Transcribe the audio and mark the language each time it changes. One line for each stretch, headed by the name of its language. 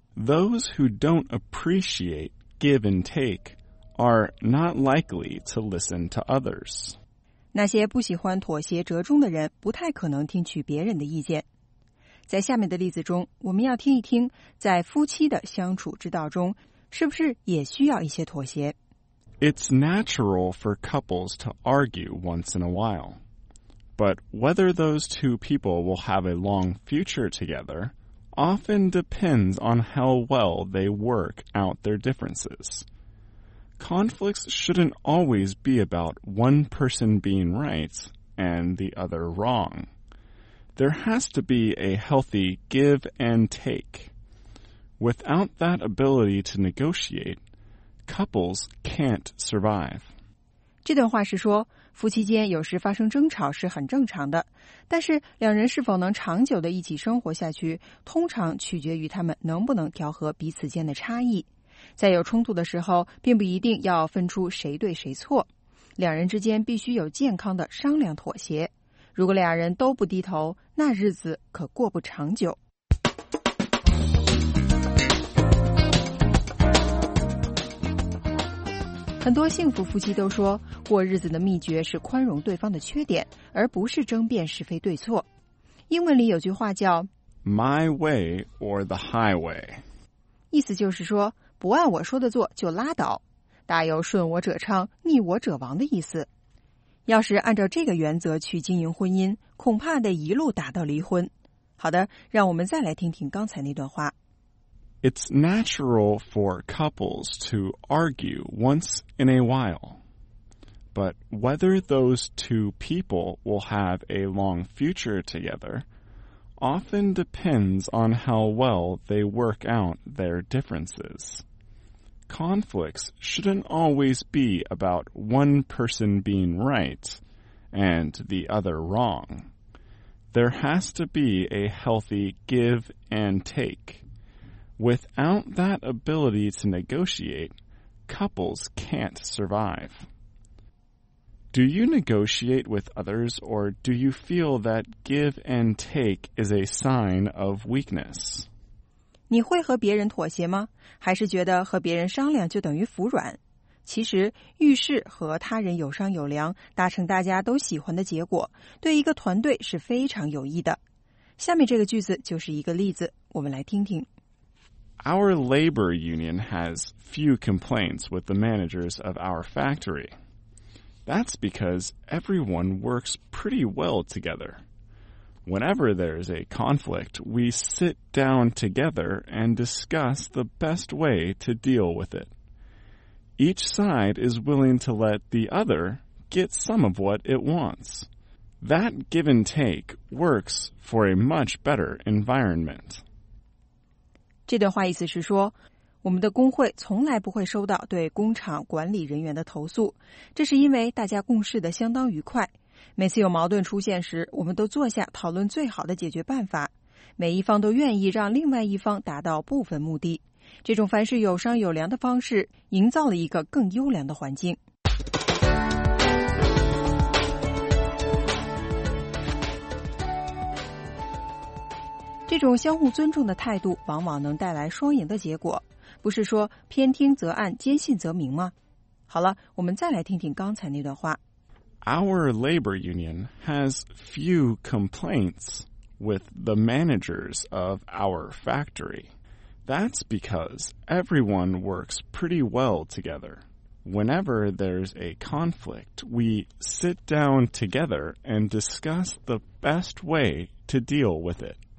English: Those who don't appreciate give and take are not likely to listen to others.
Chinese: 那些不喜欢妥协折中的人不太可能听取别人的意见在下面的例子中我们要听一听在夫妻的相处之道中是不是也需要一些妥协
English: It's natural for couples to argue once in a while. But whether those two people will have a long future together often depends on how well they work out their differences. Conflicts shouldn't always be about one person being right and the other wrong. There has to be a healthy give and take. Without that ability to negotiate, couples can't survive.
Chinese: 这段话是说，夫妻间有时发生争吵是很正常的，但是两人是否能长久的一起生活下去，通常取决于他们能不能调和彼此间的差异。在有冲突的时候，并不一定要分出谁对谁错，两人之间必须有健康的商量妥协。如果俩人都不低头，那日子可过不长久。很多幸福夫妻都说，过日子的秘诀是宽容对方的缺点，而不是争辩是非对错。英文里有句话叫
English: My way or the highway，
Chinese: 意思就是说不按我说的做就拉倒，大有顺我者昌逆我者亡的意思。要是按照这个原则去经营婚姻，恐怕得一路打到离婚。好的，让我们再来听听刚才那段话。
English: It's natural for couples to argue once in a while. But whether those two people will have a long future together often depends on how well they work out their differences. Conflicts shouldn't always be about one person being right and the other wrong. There has to be a healthy give and take. Without that ability to negotiate, couples can't survive. Do you negotiate with others, or do you feel that give and take is a sign of weakness?
Chinese: 你会和别人妥协吗？还是觉得和别人商量就等于服软？其实，遇事和他人有商有量，达成大家都喜欢的结果，对一个团队是非常有益的。下面这个句子就是一个例子，我们来听听。
English: Our labor union has few complaints with the managers of our factory. That's because everyone works pretty well together. Whenever there's a conflict, we sit down together and discuss the best way to deal with it. Each side is willing to let the other get some of what it wants. That give and take works for a much better environment.
Chinese: 这段话意思是说，我们的工会从来不会收到对工厂管理人员的投诉，这是因为大家共事的相当愉快。每次有矛盾出现时，我们都坐下讨论最好的解决办法，每一方都愿意让另外一方达到部分目的。这种凡事有商有量的方式，营造了一个更优良的环境。这种相互尊重的态度往往能带来双赢的结果，不是说偏听则暗，坚信则明吗？好了，我们再来听听刚才那段话。
English: Our labor union has few complaints with the managers of our factory. That's because everyone works pretty well together. Whenever there's a conflict, we sit down together and discuss the best way to deal with it.